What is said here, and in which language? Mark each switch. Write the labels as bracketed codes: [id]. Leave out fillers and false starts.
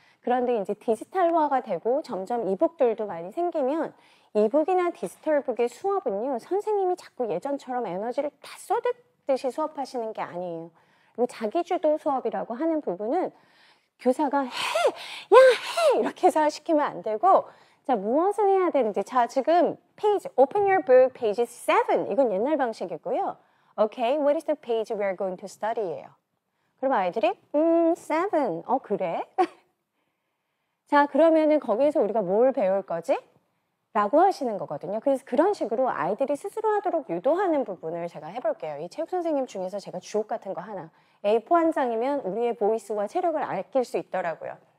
[ko] 그런데 이제 디지털화가 되고 점점 이북들도 많이 생기면 이북이나 디지털북의 수업은요, 선생님이 자꾸 예전처럼 에너지를 다 쏟듯이 수업하시는 게 아니에요. 그리고 자기주도 수업이라고 하는 부분은 교사가 해! 야, 해! 이렇게 해서 시키면 안 되고, 자, 무엇을 해야 되는지. 자, 지금 페이지, [en] open your book, page 7. [ko] 이건 옛날 방식이고요. [en] Okay, what is the page we are going to study? [ko] 예요. 그럼 아이들이, 7. 어, 그래? 자, 그러면은 거기에서 우리가 뭘 배울 거지? 라고 하시는 거거든요. 그래서 그런 식으로 아이들이 스스로 하도록 유도하는 부분을 제가 해볼게요. 이 체육 선생님 중에서 제가 주옥 같은 거 하나. A4 한 장이면 우리의 보이스와 체력을 아낄 수 있더라고요.